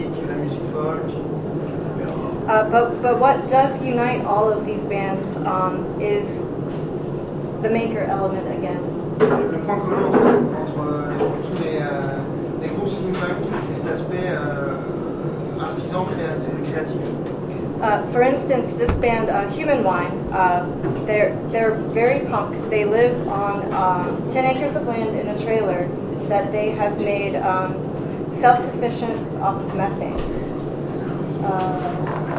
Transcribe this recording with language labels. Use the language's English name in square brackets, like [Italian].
[English] But what does unite all of these bands is the maker element again. [French] Le point commun entre tous les groupes steampunk est l'aspect artisan créatif. [English] For instance, this band Human Wine, they're very punk. They live on 10 acres of land in a trailer that they have made self-sufficient off of methane.